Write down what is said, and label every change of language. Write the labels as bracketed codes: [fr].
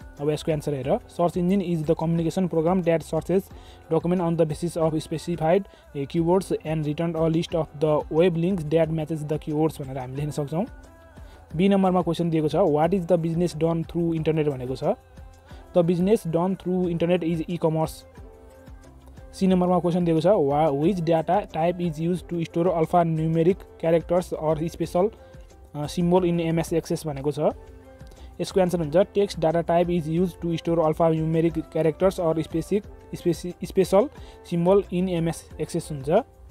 [ne] अब यसको आन्सर हेर, [en] search engine is the communication program that searches document on the basis of specified keywords and return a list of the web links that matches the keywords [ne] भनेर हामी लेख्न सक्छौँ। Be नम्बरमा question दिएको छ [en] what is the business done through internet [ne] भनेको छ। [en] The business done through internet is e commerce. [ne] C नम्बरमा क्वेसन दिएको छ वा [en] which data type is use to store alpha numeric characters or special symbol in MS Access [ne] भनेको छ। यसको answer हुन्छ [en] Text data type is used to store alphanumeric characters or special symbol in MS Access हुन्छ।